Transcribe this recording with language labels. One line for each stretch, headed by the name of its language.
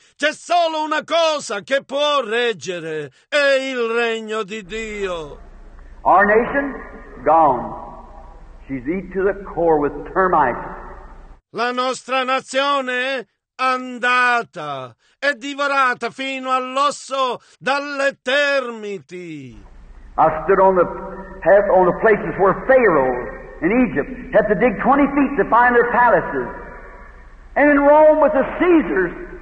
Italian: C'è solo una cosa che può reggere, è il regno di Dio.
English: Our nation, gone. She's eaten to the core with termites.
Italian: La nostra nazione è andata, è divorata fino all'osso dalle termiti.
English: I stood on the places where pharaohs in Egypt had to dig 20 feet to find their palaces. And in Rome with the Caesars.